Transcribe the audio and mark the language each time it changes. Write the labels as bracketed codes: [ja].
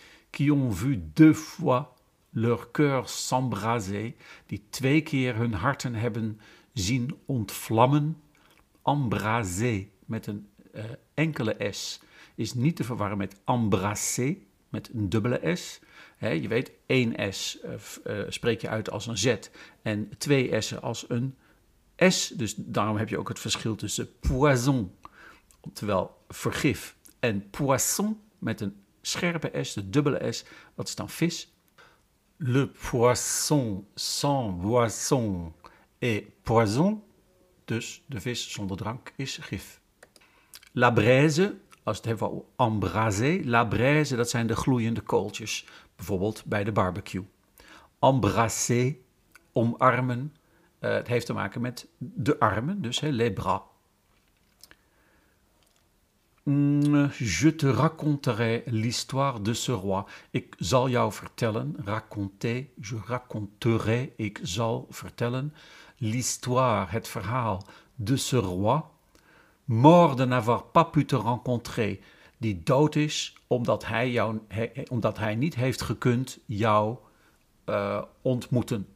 [fr] Qui ont vu deux fois leur cœur s'embraser, [nl] die twee keer hun harten hebben zien ontvlammen. Embraser, met een enkele S, is niet te verwarren met embrasser, met een dubbele S. He, je weet, één S spreek je uit als een Z en twee S'en als een S. Dus daarom heb je ook het verschil tussen poison, oftewel vergif, en poisson, met een scherpe S, de dubbele S. Wat is dan vis? [fr] Le poisson sans boisson est poison. [nl] Dus de vis zonder drank is gif. La braise, als het hebben we embraser. La braise, dat zijn de gloeiende kooltjes. Bijvoorbeeld bij de barbecue. Embrasser, omarmen. Het heeft te maken met de armen, dus hè, les bras. [fr] Je te raconterai l'histoire de ce roi. [nl] Ik zal jou vertellen, raconter, je raconterai, ik zal vertellen, l'histoire, het verhaal, [fr] de ce roi, mort de n'avoir pas pu te rencontrer, [nl] die dood is, omdat hij niet heeft gekund jou ontmoeten.